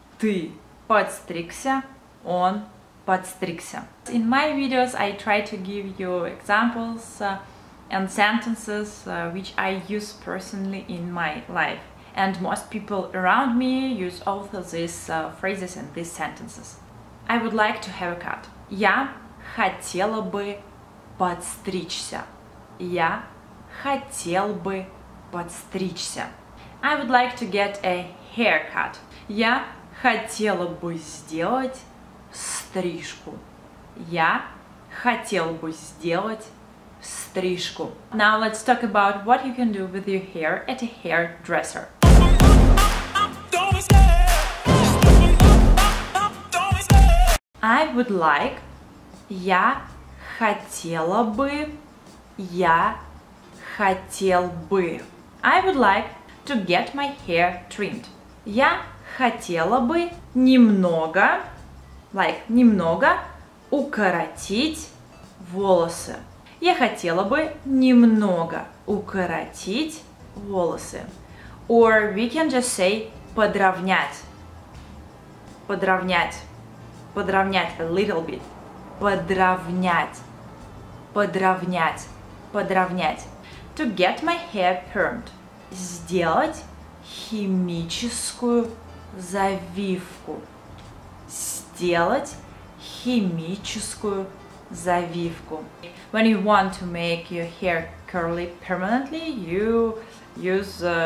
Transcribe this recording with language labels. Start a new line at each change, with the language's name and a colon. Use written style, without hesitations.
Russian: Ты подстригся. Он подстригся.
English: In my videos I try to give you examples and sentences which I use personally in my life. And most people around me use all of these phrases and these sentences. I would like to have a cut.
Russian: Я хотела бы подстричься. Я хотел бы подстричься.
English: I would like to get a haircut.
Russian: Я хотела бы сделать стрижку. Я хотел бы сделать стрижку.
English: Now let's talk about what you can do with your hair at a hairdresser. I would like.
Russian: Я хотела бы. Я хотел бы.
English: I would like to get my hair trimmed.
Russian: Я хотела бы немного, like немного, укоротить волосы. Я хотела бы немного укоротить волосы.
English: Or we can just say подровнять. Подровнять.
Russian: Подровнять
English: a little bit.
Russian: Подровнять. Подровнять. Подровнять.
English: To get my hair permed.
Russian: Сделать химическую завивку. Сделать химическую завивку.
English: When you want to make your hair curly permanently, you use